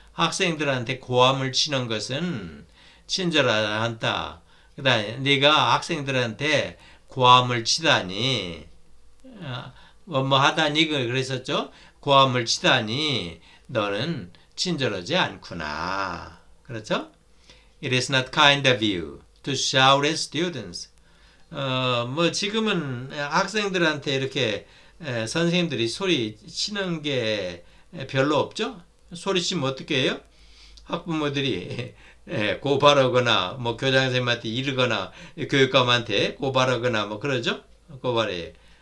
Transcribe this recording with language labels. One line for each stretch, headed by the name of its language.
Korean: 학생들한테 고함을 치는 것은 친절하지 않다. 그 다음에, 네가 학생들한테 고함을 치다니. 뭐 하다니, 그랬었죠? 고함을 치다니, 너는 친절하지 않구나. 그렇죠?
English: It is not kind of you to shout at students.
Korean: 뭐, 지금은 학생들한테 이렇게 선생님들이 소리치는 게 별로 없죠? 소리치면 어떻게 해요? 학부모들이 고발하거나, 뭐, 교장 선생님한테 이르거나, 교육감한테 고발하거나, 뭐, 그러죠? 고발해.